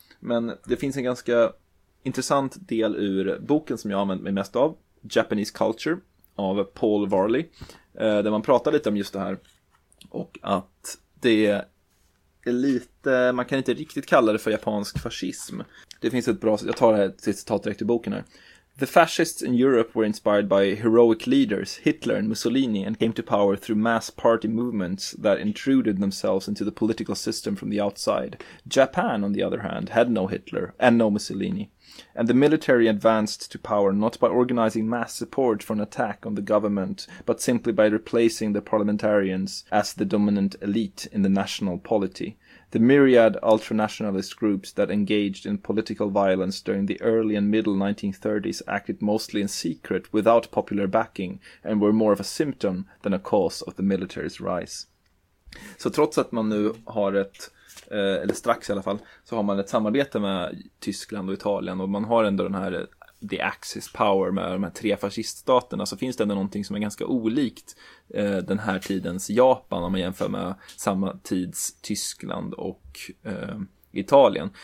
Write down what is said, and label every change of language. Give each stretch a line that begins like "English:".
Swedish: Men det finns en ganska intressant del ur boken som jag använt mig mest av, Japanese Culture, av Paul Varley, där man pratar lite om just det här. Och att det är lite, man kan inte riktigt kalla det för japansk fascism. Det finns ett bra, jag tar det här citat direkt ur boken här.
English: The fascists in Europe were inspired by heroic leaders, Hitler and Mussolini, and came to power through mass party movements that intruded themselves into the political system from the outside. Japan, on the other hand, had no Hitler and no Mussolini. And the military advanced to power not by organizing mass support for an attack on the government, but simply by replacing the parliamentarians as the dominant elite in the national polity. The myriad ultranationalist groups that engaged in political violence during the early and middle 1930s acted mostly in secret, without popular backing, and were more of a symptom than a cause of the military's rise.
Swedish: Så trots att man nu har ett, eller strax i alla fall, så har man ett samarbete med Tyskland och Italien, och man har ändå den här the Axis power med de här tre fasciststaterna, så finns det ändå någonting som är ganska olikt den här tidens Japan om man jämför med samma tids Tyskland och Italien.